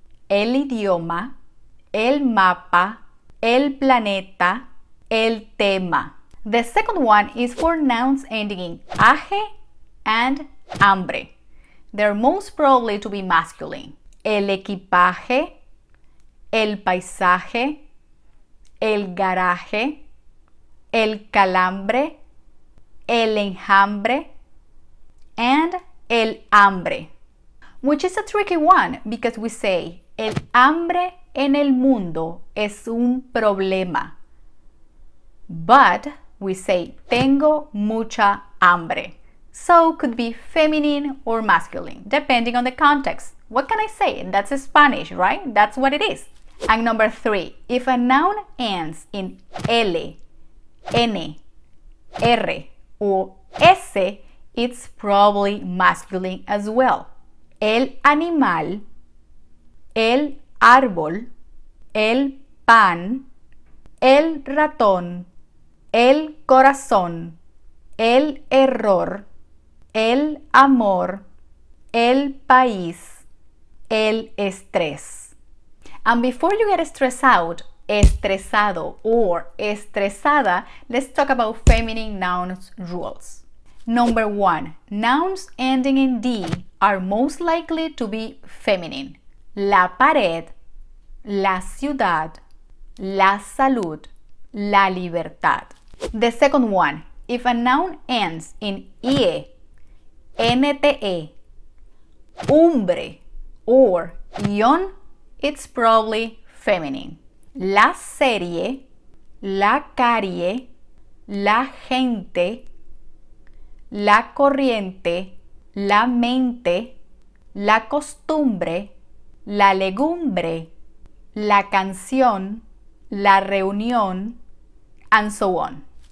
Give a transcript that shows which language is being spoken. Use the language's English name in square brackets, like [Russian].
[Spanish] El idioma, el mapa, el planeta, el tema. [English] The second one is for nouns ending in aje and hambre. They're most probably to be masculine. [Spanish] El equipaje, el paisaje, el garaje, el calambre, el enjambre, and el hambre. [English] Which is a tricky one because we say [Spanish] el hambre en el mundo es un problema. [English] But we say [Spanish] tengo mucha hambre. [English] So could be feminine or masculine, depending on the context. What can I say? That's Spanish, right? That's what it is. And number three, if a noun ends in L, N, R, or S, it's probably masculine as well. [Spanish] El animal, el árbol, el pan, el ratón, el corazón, el error, el amor, el país, el estrés. [English] And before you get stressed out, estresado or estresada, let's talk about feminine nouns rules. Number one, nouns ending in D are most likely to be feminine. [Spanish] La pared, la ciudad, la salud, la libertad. [English] The second one, if a noun ends in IE, NTE, umbre, or ion, it's probably feminine. [Spanish] La serie, la carie, la gente, la corriente, la mente, la costumbre, la legumbre, la canción, la reunión, and so on.